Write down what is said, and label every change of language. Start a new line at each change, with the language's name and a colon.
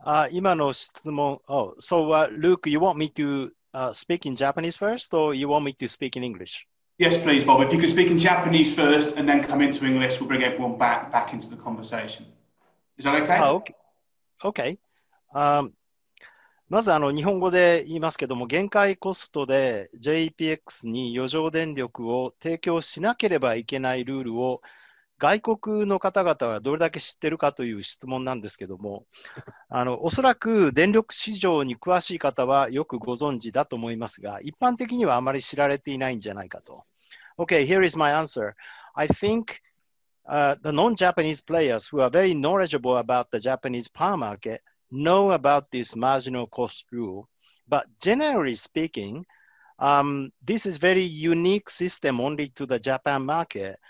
Japanese: 今の質問
English: Oh, so Luke, you want me to speak in Japanese first, or you want me to speak in English? Yes, please, Bob. If you could speak in Japanese first and then come into English, we'll bring everyone back into the conversation. Is that okay? Okay.
Japanese: まずあの日本語で言いますけども、限界コストで JEPX に余剰電力を提供しなければいけないルールを外国の方々はどれだけ知ってるかという質問なんですけども、おそらく電力市場に詳しい方はよくご存知だと思いますが、一般的にはあまり知られていないんじゃないかと。
English: Okay, here is my answer. I thinkthe non-Japanese players who are very knowledgeable about the Japanese power marketknow about this marginal cost rule. But generally speaking, this is very unique system only to the Japan market.